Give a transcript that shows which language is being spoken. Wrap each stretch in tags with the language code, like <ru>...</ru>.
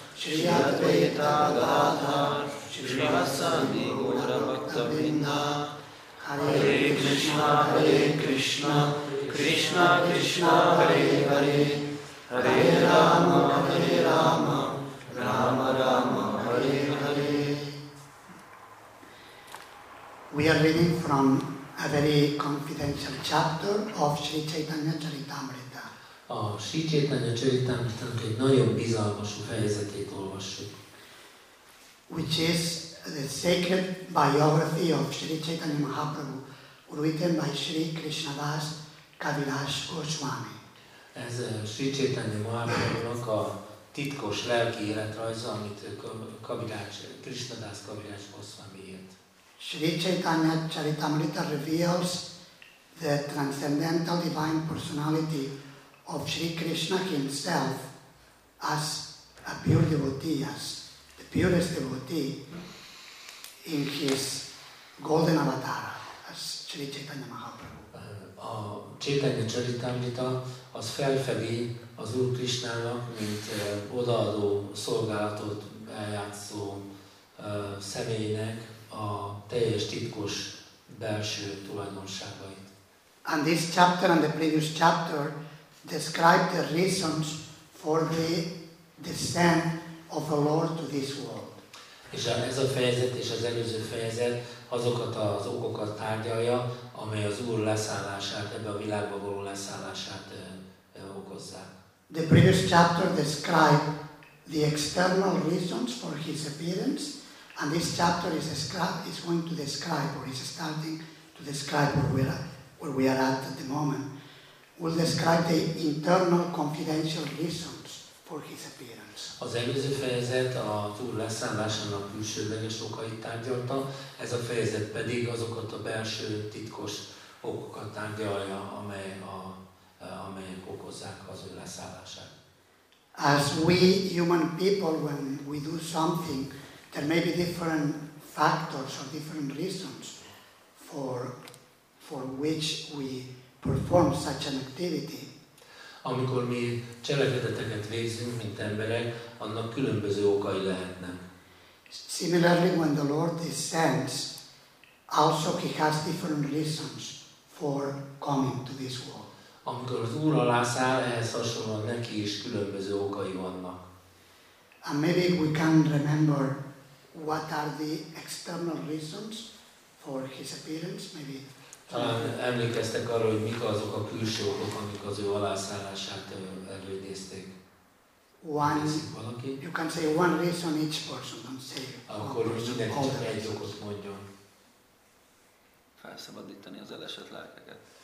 <sa>Shri Advaita Gadadhar, Shri Vasani Gaura Bhaktavinda, Hare Krishna, Hare Krishna, Krishna Krishna, Hare Hare, Hare Rama, Hare Rama, Rama Rama, Hare Hare.</sa> <en>We are reading from a very confidential chapter of Sri Chaitanya Charitamrita.</en> <hu>A Sri Chaitanya Charitamrita egy nagyon bizalmasú fejezetét olvassuk.</hu> <en>Which is the sacred biography of Sri Chaitanya Mahaprabhu, written by Sri Krishnadas Kaviraj Goswami.</en> <hu>Ez Sri Chaitanya Mahaprabhunak a titkos lelki életrajza, amit Krishnadas Kaviraj Goswami írt.</hu> <en>Sri Chaitanya Charitamrita reveals the transcendental divine personality of Sri Krishna himself as a pure devotee, as the purest devotee in his golden avatar, as Sri Chaitanya Mahaprabhu.</en> <hu>A Chaitanya Charitamrita az felfedi az Úr Krishnának, mint odaadó szolgálatot eljátszó személynek, a teljes titkos belső tulajdonságait.</hu> <en>And this chapter and the previous chapter describe the reasons for the descent of the Lord to this world.</en> <hu>És ez a fejezet és az előző fejezet azokat az okokat tárgyalja, amely az Úr leszállását, ebbe a világba való leszállását okozzák.</hu> <en>The previous chapter describe the external reasons for his appearance. And this chapter is going to describe, or is starting to describe where we are at the moment. We'll describe the internal confidential reasons for his appearance.</en> <hu>Az előző fejezet az Úr leszállásának külsődleges okait tárgyalta, ez a fejezet pedig azokat a belső titkos okokat tárgyalja, amelyek okozzák az Úr leszállását.</hu> <en>As we human people, when we do something, there may be different factors or different reasons for which we perform such an activity.</en> <hu>Amikor mi cselekedeteket végzünk, mint emberek, annak különböző okai lehetnek.</hu> <en>Similarly, when the Lord descends, also he has different reasons for coming to this world.</en> <hu>Amikor az Úr alá száll, ehhez hasonlóan neki is különböző okai vannak.</hu> <en>And maybe we can remember what are the external reasons for his appearance, maybe?</en> <hu>Talán emlékeztek arra, hogy mik azok a külső okok, amik az ő alászállását előidézték.</hu> <en>You can say one reason each person, don't say.</en> <hu>Akkor mindenki csak egy okot mondjon. Felszabadítani az elesett lelkeket.</hu>